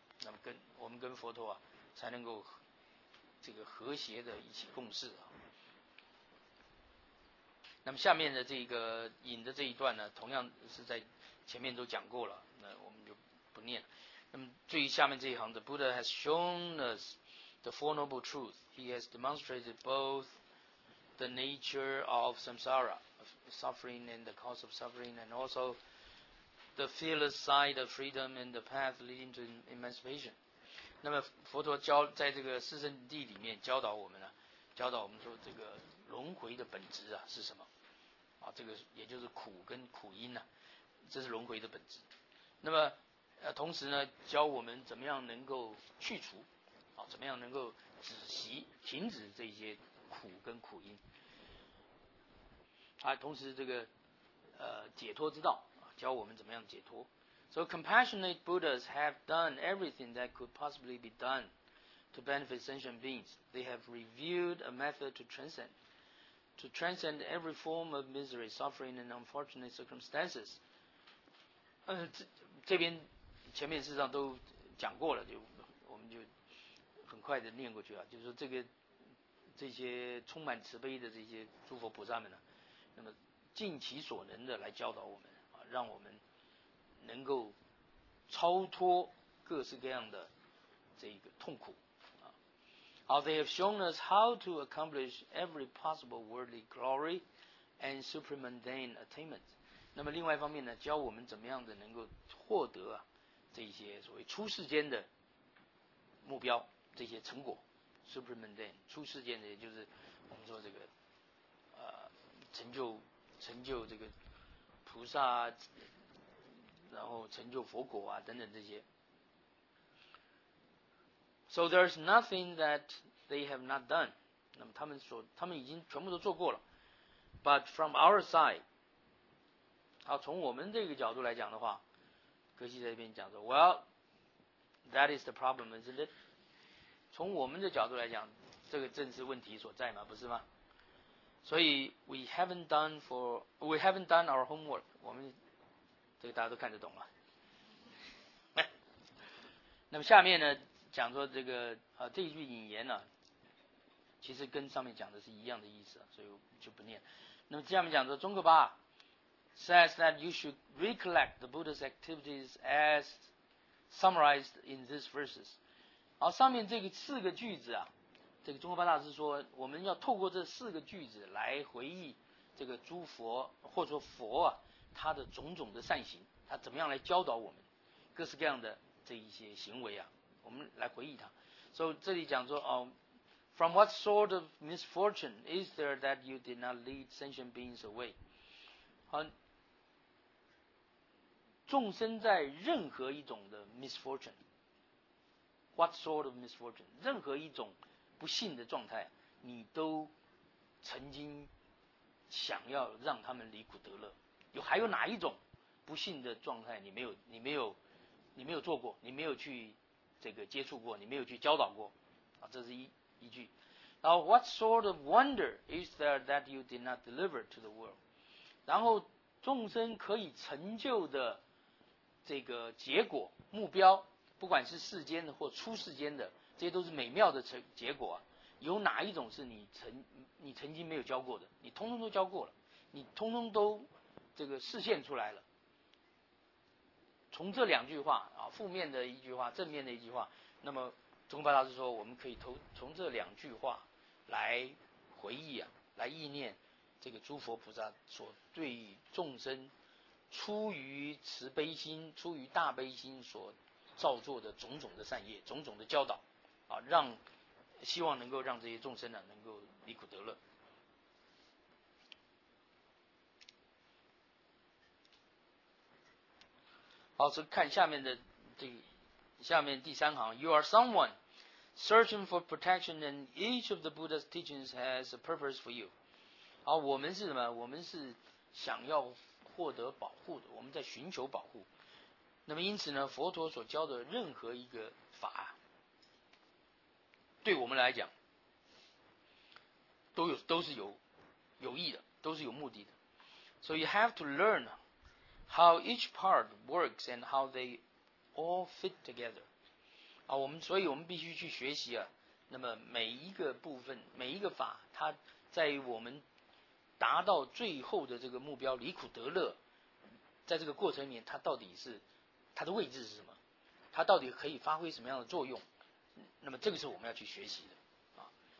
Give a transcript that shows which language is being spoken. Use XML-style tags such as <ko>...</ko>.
<zh>那么我们跟佛陀啊，才能够这个和谐的一起共事啊。那么下面的这个引的这一段呢，同样是在前面都讲过了，那我们就不念了。那么至于下面这一行的</zh> <en>Buddha has shown us the Four Noble Truths. He has demonstrated both the nature of samsara, suffering and the cause of suffering, and also the fearless side of freedom and the path leading to emancipation.</en> <zh>那么佛陀教在这个四圣地里面教导我们呢、啊，教导我们说这个轮回的本质啊是什么啊，这个也就是苦跟苦因啊，这是轮回的本质。那么同时呢教我们怎么样能够去除啊，怎么样能够止息停止这些苦跟苦因啊，同时这个解脱之道啊，教我们怎么样解脱。</zh> <en>So compassionate Buddhas have done everything that could possibly be doneTo benefit sentient beings, they have revealed a method to transcend every form of misery, suffering, and unfortunate circumstances.</en> <zh>这边前面事实上都讲过了，就我们就很快的念过去啊。就是说这些充满慈悲的这些诸佛菩萨们呢、啊，那么尽其所能的来教导我们啊，让我们能够超脱各式各样的这个痛苦。</zh> <en>They have shown us how to accomplish every possible worldly glory and supramundane attainment.</en> <zh>那么另外一方面呢，教我们怎么样的能够获得、啊、这些所谓出世间的目标，这些成果 supramundane 出世间的，也就是我们说这个成就这个菩萨，然后成就佛果啊等等这些。</zh> <en>So there's nothing that they have not done.</en> <zh>那么他们已经全部都做过了。</zh> <en>But from our side,</en> <zh>好，从我们这个角度来讲的话，格西在这边讲说</zh> <en>，Well, that is the problem, isn't it?</en> <zh>从我们的角度来讲，这个正是问题所在嘛，不是吗？所以</zh> <en>we haven't done our homework.</en> <zh>我们这个大家都看得懂了。那么下面呢？讲说这个这一句引言呢、啊，其实跟上面讲的是一样的意思、啊，所以我就不念。那么下面讲说，中国巴</zh> <en>says that you should recollect the Buddha's activities as summarized in these verses。</en> <zh>好，上面这个四个句子啊，这个中国巴大师说，我们要透过这四个句子来回忆这个诸佛或者说佛啊，他的种种的善行，他怎么样来教导我们各式各样的这一些行为啊。我们来回忆它。</zh> <en>So,</en> <zh>这里讲说、</zh> <en>From what sort of misfortune is there that you did not lead sentient beings away?</en> <zh>好，众生在任何一种的</zh> <en>misfortune, what sort of misfortune,</en> <zh>任何一种不幸的状态，你都曾经想要让他们离苦得乐。还有哪一种不幸的状态你没有做过，你没有去这个接触过，你没有去教导过，啊，这是一句。然后</zh> <en>，What sort of wonder is there that you did not deliver to the world？</en> <zh>然后，众生可以成就的这个结果目标，不管是世间的或出世间的，这些都是美妙的结果啊。有哪一种是你曾经没有教过的？你通通都教过了，你通通都这个示现出来了。从这两句话啊，负面的一句话，正面的一句话，那么。中观大师说，我们可以从这两句话来回忆啊，来忆念这个诸佛菩萨所对众生出于慈悲心、出于大悲心所造作的种种的善业、种种的教导啊，让希望能够让这些众生呢、啊、能够离苦得乐。好，所以看下面的这个、下面第三行 ，</zh> <en>You are someone。 Searching for protection, and each of the Buddha's teachings has a purpose for you.</en> <zh>好，我们是什么？我们是想要获得保护的，我们在寻求保护。那么因此呢，佛陀所教的任何一个法，对我们来讲，都是有益的，都是有目的的。</zh> <en>So you have to learn how each part works and how they all fit together.</en> <zh>啊，我们所以我们必须去学习啊。那么每一个部分，每一个法，它在我们达到最后的这个目标离苦得乐，在这个过程里面，它到底是它的位置是什么？它到底可以发挥什么样的作用？那么这个是我们要去学习的啊。</zh>